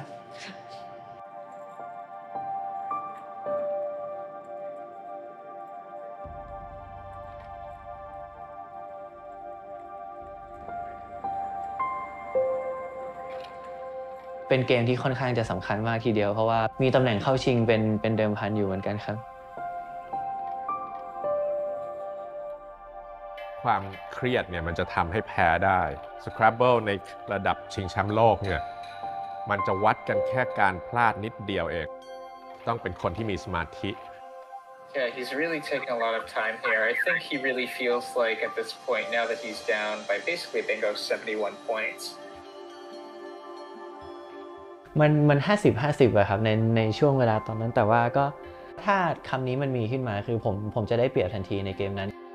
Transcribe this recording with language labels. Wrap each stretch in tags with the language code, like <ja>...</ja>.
<th>เป็นเกมที่ค่อนข้างจะสำคัญมากทีเดียวเพราะว่ามีตำแหน่งเข้าชิงเป็นเดิมพันอยู่เหมือนกันครับ ความเครียดเนี่ยมันจะทำให้แพ้ได้ Scrabble ในระดับชิงแชมป์โลกเนี่ยมันจะวัดกันแค่การพลาดนิดเดียวเองต้องเป็นคนที่มีสมาธิ</th> <en>Yeah, he's really taking a lot of time here. I think he really feels like at this point now that he's down by basically bingo 71 points</en> <th>มัน50-50อะครับในช่วงเวลาตอนนั้นแต่ว่าก็ถ้าคำนี้มันมีขึ้นมาคือผมจะได้เปรียบทันทีในเกมนั้น</th>